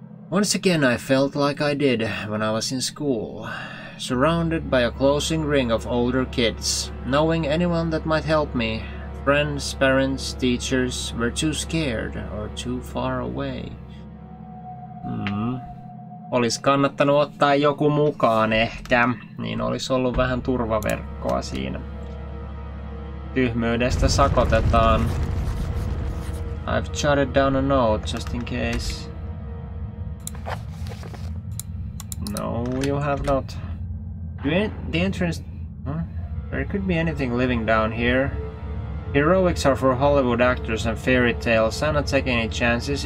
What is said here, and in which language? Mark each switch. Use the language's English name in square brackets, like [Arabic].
[English] Once again I felt like I did when I was in school, surrounded by a closing ring of older kids, knowing anyone that might help me. Friends, parents, teachers were too scared or too far away. [Finnish] Olis kannattanut ottaa joku mukaan ehkä, niin olis ollut vähän turvaverkkoa siinä. Tyhmyydestä sakotetaan. [English] I've jotted down a note just in case. No, you have not. The entrance... There could be anything living down here. Heroics are for Hollywood actors and fairy tales. I'm not taking any chances.